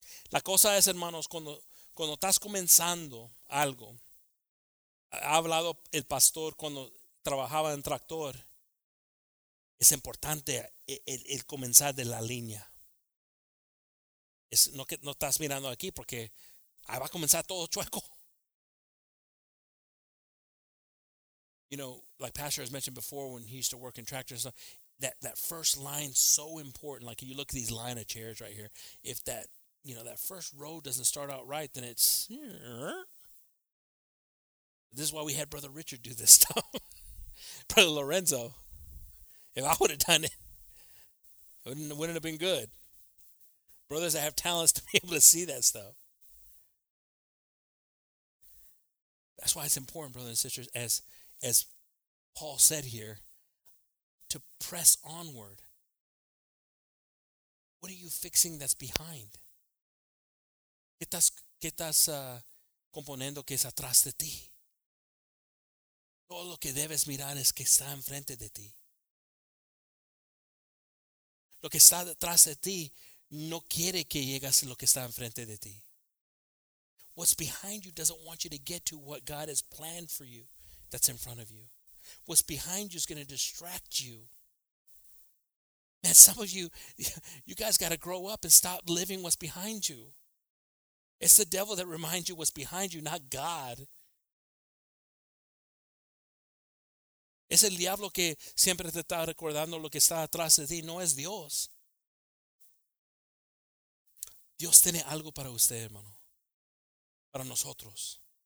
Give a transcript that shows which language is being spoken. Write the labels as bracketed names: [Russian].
[Spanish] La cosa es, hermanos, cuando estás comenzando algo, ha hablado el pastor cuando trabajaba en tractor, es importante el comenzar de la línea. Es no que no estás mirando aquí porque ahí va a comenzar todo chueco. [English] You know, like Pastor has mentioned before, when he used to work in tractors, that first line so important. Like you look at these line of chairs right here. If that, you know, that first row doesn't start out right, then it's. This is why we had Brother Richard do this stuff. Brother Lorenzo. If I would have done it, it wouldn't have been good. Brothers that have talents to be able to see that stuff. That's why it's important, brothers and sisters, as Paul said here, to press onward. What are you fixing that's behind? [Spanish] ¿Qué estás componiendo que es atrás de ti? Todo lo que debes mirar es que está enfrente de ti. Lo que está detrás de ti no quiere que llegues a lo que está enfrente de ti. [English] What's behind you doesn't want you to get to what God has planned for you that's in front of you. What's behind you is going to distract you. Man, some of you guys got to grow up and stop living what's behind you. It's the devil that reminds you what's behind you, not God. [Spanish] Es el diablo que siempre te está recordando lo que está atrás de ti, no es Dios. Dios tiene algo para usted, hermano, para nosotros.